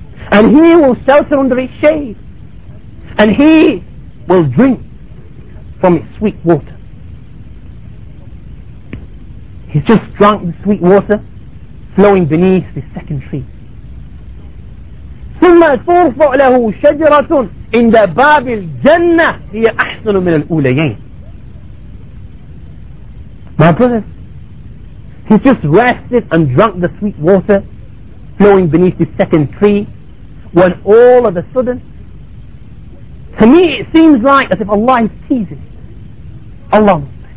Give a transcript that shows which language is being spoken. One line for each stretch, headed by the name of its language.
English: And he will shelter under its shade. And he will drink from its sweet water. He's just drunk the sweet water flowing beneath the second tree.
Arabic: ثم ترفع له شجرة عند باب الجنة هي أحسن من الأوليين.
English: My brothers, he just rested and drank the sweet water flowing beneath the second tree, when all of a sudden, to me it seems like as if Allah is teasing along.